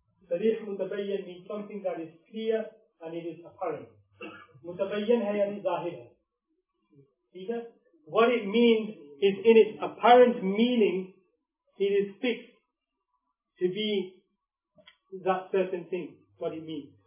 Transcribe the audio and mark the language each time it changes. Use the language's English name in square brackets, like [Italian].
[English] Sarih mutabayyan means something that is clear and it is apparent. [Urdu] متبین ہے یعنی ظاہر ہے۔ [English] See that? What it means is in its apparent meaning, it is fixed to be that certain thing. What it means.